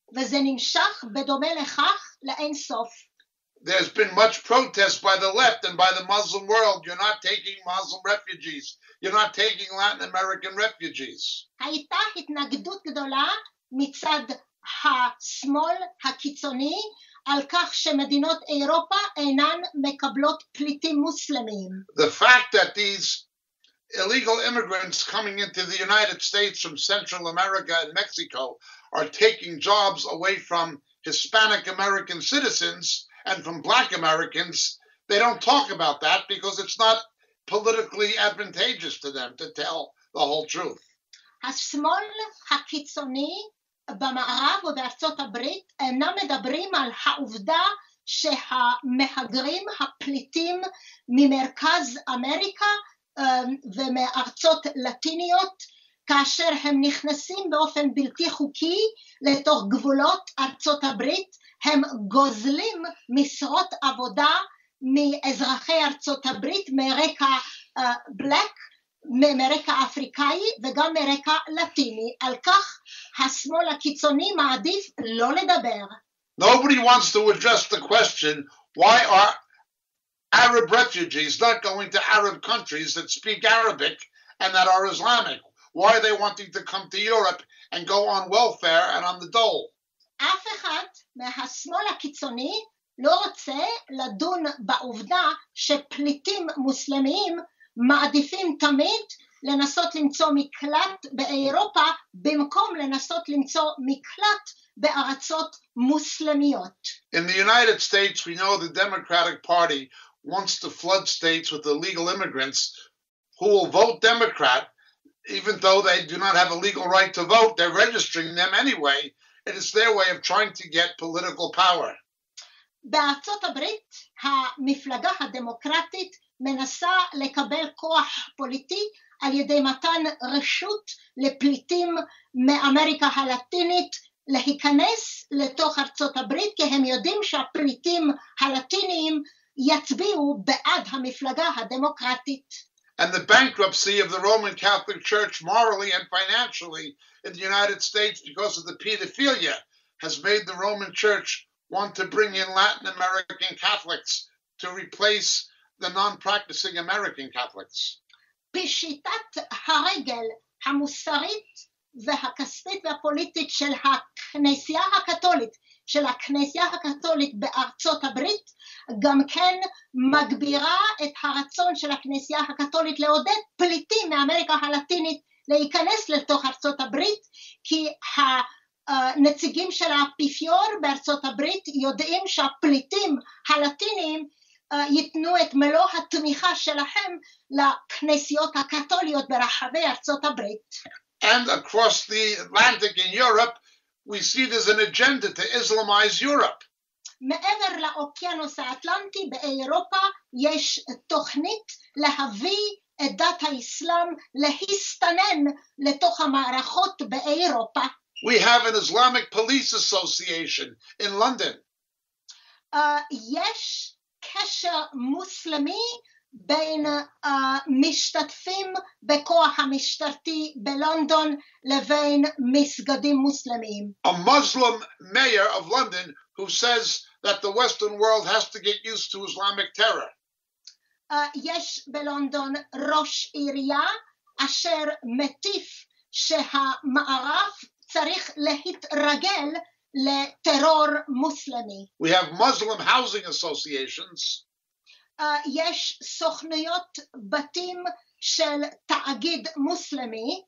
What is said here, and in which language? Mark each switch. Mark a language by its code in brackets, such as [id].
[he] וזה נמשך בדומה לכך לאין סוף. [en] There's been much protest by the left and by the Muslim world. You're not taking Muslim refugees. You're not taking Latin American refugees. [he] הייתה התנגדות גדולה מצד השמאל הקיצוני על כך שמדינות אירופה אינן מקבלות פליטים מוסלמים. [en] The fact that these illegal immigrants coming into the United States from Central America and Mexico are taking jobs away from Hispanic American citizens and from black Americans, they don't talk about that because it's not politically advantageous to them to tell the whole truth. [he] השמאל הקיצוני במערב או בארצות הברית אינם מדברים על העובדה שהמהגרים הפליטים ממרכז אמריקה ומארצות לטיניות, כאשר הם נכנסים באופן בלתי חוקי לתוך גבולות ארצות הברית, הם גוזלים משרות עבודה מאזרחי ארצות הברית מרקע בלק, מרקע אפריקאי וגם מרקע לטיני. על כך השמאל הקיצוני מעדיף לא לדבר. [en] Nobody wants to address the question, why are Arab refugees not going to Arab countries that speak Arabic and that are Islamic? Why are they wanting to come to Europe and go on welfare and on the dole? [he] אף אחד מהשמאל הקיצוני לא רוצה לדון בעובדה שפליטים מוסלמיים מעדיפים תמיד לנסות למצוא מקלט באירופה במקום לנסות למצוא מקלט בארצות מוסלמיות. [en] In the United States, we know the Democratic Party wants to flood states with illegal immigrants who will vote Democrat, even though they do not have a legal right to vote. They're registering them anyway. It is their way of trying to get political power. [he] בארצות הברית, המפלגה הדמוקרטית מנסה לקבל כוח פוליטי על ידי מתן רשות לפליטים מאמריקה הלטינית להיכנס לתוך ארצות הברית, כי הם יודעים שהפליטים הלטיניים יצביעו בעד המפלגה הדמוקרטית. [en] And the bankruptcy of the Roman Catholic Church morally and financially in the United States because of the pedophilia has made the Roman Church want to bring in Latin American Catholics to replace the non-practicing American Catholics. [he] פשיטת הרגל המוסרית והכספית והפוליטית של הכנסייה הקתולית, בארצות הברית, גם כן מגבירה את הרצון של הכנסייה הקתולית לעודד פליטים מאמריקה הלטינית להיכנס לתוך ארצות הברית, כי הנציגים של האפיפיור בארצות הברית יודעים שהפליטים הלטינים ייתנו את מלוא התמיכה שלהם לכנסיות הקתוליות ברחבי ארצות הברית. [en] And across the Atlantic in Europe, we see there's an agenda to Islamize Europe. [he] מעבר לאוקיינוס האטלנטי באירופה יש תוכנית להביא את דת האסלאם להסתנן לתוך המערכות באירופה. [en] We have an Islamic police association in London. [he] יש קשר מוסלמי בין משתתפים בכוח המשטרתי בלונדון לבין מסגדים מוסלמיים. [en] A Muslim mayor of London who says that the Western world has to get used to Islamic terror. [he] יש בלונדון ראש עירייה אשר מטיף שהמערב צריך להתרגל לטרור מוסלמי. [en] We have Muslim housing associations. [he] יש סוכנויות בתים של תאגיד מוסלמי.